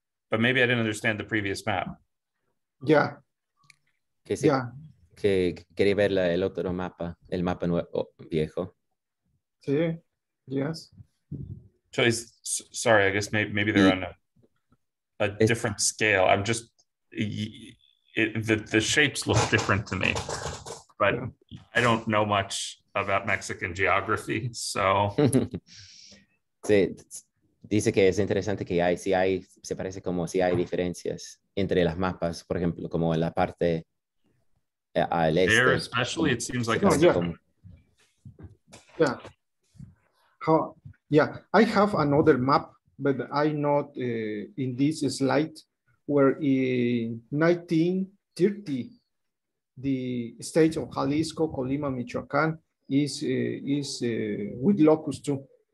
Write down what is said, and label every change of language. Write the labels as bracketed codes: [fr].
[en] But maybe I didn't understand the previous map. Yeah. [es] Que sí. [en] Yeah. [es] Que quería ver el otro mapa, el mapa nuevo, viejo. Sí, [en] yes. So I guess maybe they're on a different scale. I'm just, the shapes look different to me, but yeah. I don't know much about Mexican geography, so. [es] Sí, dice que es interesante que hay, si hay, se parece como si hay diferencias entre las mapas, por ejemplo, como en la parte [en] there, especially, it seems like it's I have another map, but I'm not in this slide, where in 1930, the state of Jalisco, Colima, Michoacán is with locusts too.